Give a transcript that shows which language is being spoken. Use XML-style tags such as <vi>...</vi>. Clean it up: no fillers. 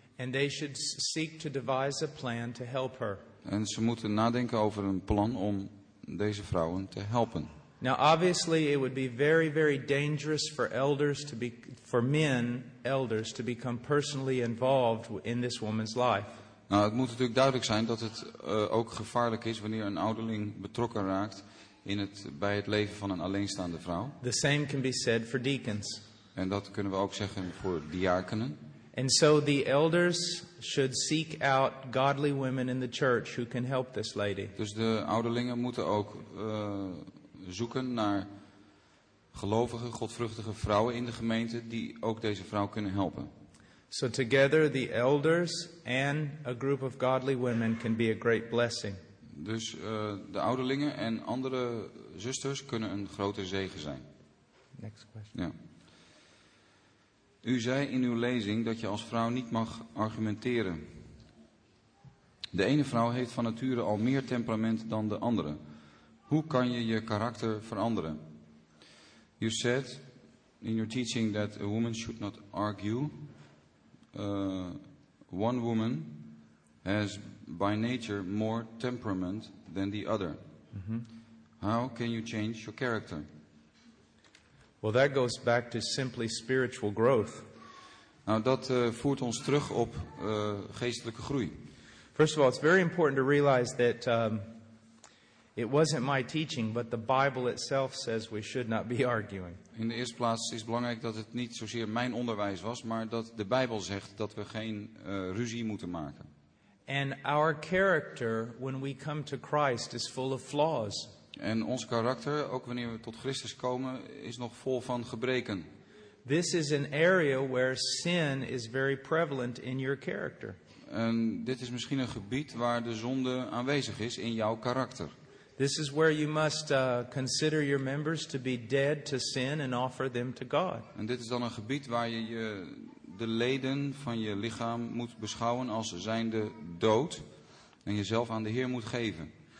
<en>And they should seek to devise a plan to help her.</en> <nl>En ze moeten nadenken over een plan om deze vrouwen te helpen.</nl> <en>Now obviously it would be very, very dangerous for elders to be for men elders to become personally involved in this woman's life.</en> <nl>Nou, het moet natuurlijk duidelijk zijn dat het ook gevaarlijk is wanneer een ouderling betrokken raakt bij het leven van een alleenstaande vrouw.</nl> <en>The same can be said for deacons.</en> <nl>En dat kunnen we ook zeggen voor diakenen.</nl> <en>And so the elders should seek out godly women in the church who can help this lady.</en> <nl>Dus de ouderlingen moeten ook zoeken naar gelovige, godvruchtige vrouwen in de gemeente die ook deze vrouw kunnen helpen.</nl> <en>So together the elders and a group of godly women can be a great blessing.</en> <nl>Dus de ouderlingen en andere zusters kunnen een grote zegen zijn.</nl> <en>Next question.</en> <nl>Ja. U zei in uw lezing dat je als vrouw niet mag argumenteren. De ene vrouw heeft van nature al meer temperament dan de andere. Hoe kan je je karakter veranderen?</nl> <en>You said in your teaching that a woman should not argue. One woman has by nature more temperament than the other. Mm-hmm. How can you change your character? Well, that goes back to simply spiritual growth.</en> <nl>Nou, dat voert ons terug op geestelijke groei.</nl> <en>First of all, it's very important to realize that It wasn't my teaching, but the Bible itself says we should not be arguing.</en> <nl>In de eerste plaats is het belangrijk dat het niet zozeer mijn onderwijs was, maar dat de Bijbel zegt dat we geen ruzie moeten maken.</nl> <en>And our character when we come to Christ is full of flaws.</en> <nl>En ons karakter, ook wanneer we tot Christus komen, is nog vol van gebreken.</nl> <en>This is an area where sin is very prevalent in your character.</en> <nl>En dit is misschien een gebied waar de zonde aanwezig is in jouw karakter.</nl> <en>This is where you must consider your members to be dead to sin and offer them to God.</en> <nl>En dit is dan een gebied waar je je de leden van je lichaam moet beschouwen als zijnde dood en jezelf aan de Heer moet geven.</nl>